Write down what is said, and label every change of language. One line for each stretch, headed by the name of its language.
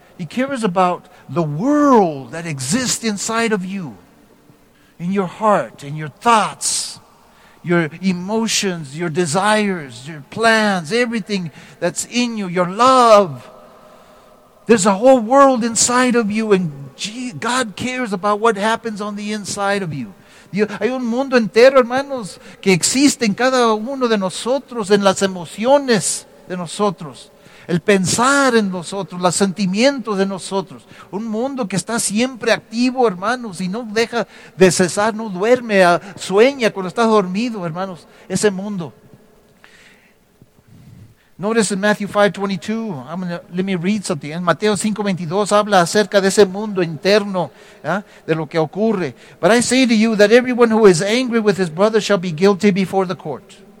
English: He cares about the world that exists inside of you, in your heart, in your thoughts, your emotions, your desires, your plans, everything that's in you, your love. There's a whole world inside of you, and God cares about what happens on the inside of you.
Spanish: Hay un mundo entero, hermanos, que existe en cada uno de nosotros, en las emociones de nosotros, el pensar en nosotros, los sentimientos de nosotros. Un mundo que está siempre activo, hermanos, y no deja de cesar, no duerme, sueña cuando está dormido, hermanos, ese mundo.
English: Notice in Matthew 5:22, let me read something.
Spanish: En Mateo 5:22 habla acerca de ese mundo interno, ¿eh?, de lo que ocurre.
English: But I say to you that everyone who is angry with his brother shall be guilty before the court.